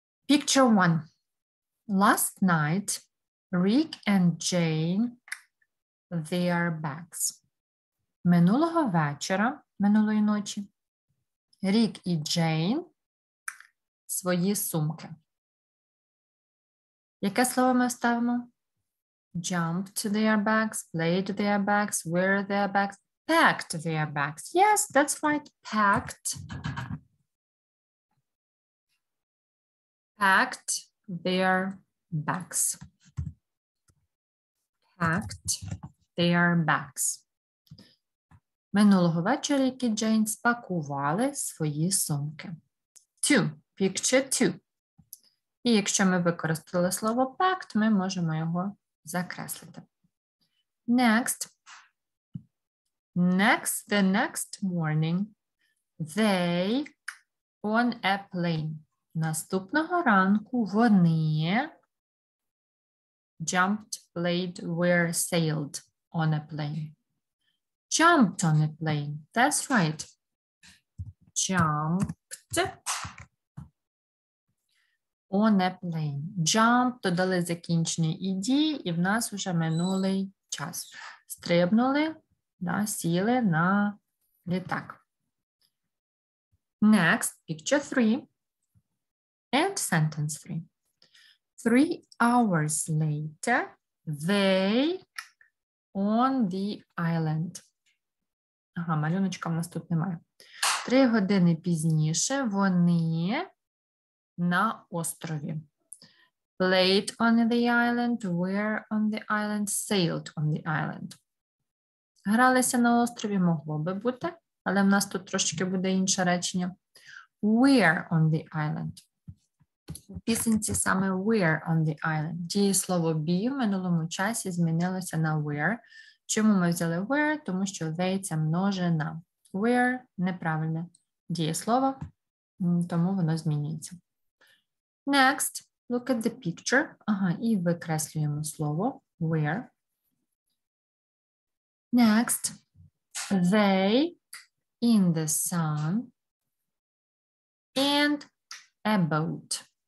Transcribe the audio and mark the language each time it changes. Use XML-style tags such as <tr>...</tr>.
<en>Picture 1. Last night, Rick and Jane, their bags.</en> <uk>Минулого вечора, минулої ночі, Рік і Джейн, свої сумки. Яке слово ми ставимо?</uk> <en>Jumped their bags, played their bags, wear their bags, packed their bags. Yes, that's right, packed. Packed their bags. Packed their bags.</en> <uk>Минулого вечора, які Джейн спакували свої сумки.</uk> <en>To, picture to.</en> <uk>І якщо ми використали слово packed, ми можемо його закреслити.</uk> <en>Next. Next, the next morning, they on a plane.</en> <uk>Наступного ранку вони</uk> <en>jumped, played, were sailed</en> <uk>on a plane.</uk> <en>Jumped on a plane. That's right. Jumped on a plane.</en> <uk>Jump, додали закінчення ed, і в нас вже минулий час. Стрибнули, да, сіли на літак.</uk> <en>Next, picture three and sentence three. 3 hours later, they on the island.</en> <uk>Ага, малюночка в нас тут немає. 3 години пізніше вони на острові.</uk> <en>Played on the island, were on the island, sailed on the island.</en> <uk>Гралися на острові, могло би бути, але в нас тут трошечки буде інше речення.</uk> <en>Were on the island.</en> <uk>У пісенці саме</uk> <en>were on the island.</en> <uk>Дієслово be в минулому часі змінилося на were. Чому ми взяли were? Тому що they – це множина. Were – неправильне дієслово, тому воно змінюється.</uk> <en>Next, look at the picture.</en> <uk>Ага, і викреслюємо слово were.</uk> <en>Next, they in the sun and a boat.</en>